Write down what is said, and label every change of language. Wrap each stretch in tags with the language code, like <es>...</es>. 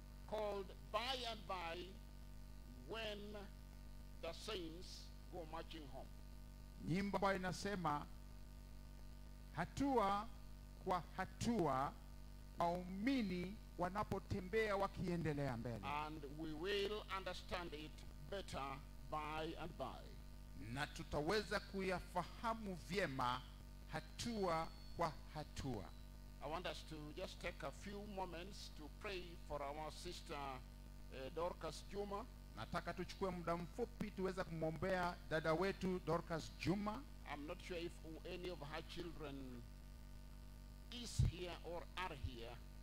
<en>called By and By When the Saints Go Marching Home.</en> <sw>Nyimbo ambayo inasema hatua kwa hatua waumini wanapotembea wakiendelea mbele.</sw> <en>And we will understand it better by and by.</en> <sw>Na tutaweza kuyafahamu vyema hatua kwa hatua.</sw> <en>I want us to just take a few moments to pray for our sister Dorcas Juma.</en> <sw>Nataka tuchukue muda mfupi tuweza kumwombea dada wetu Dorcas Juma.</sw> <en>I'm not sure if any of her children is here or are here.</en>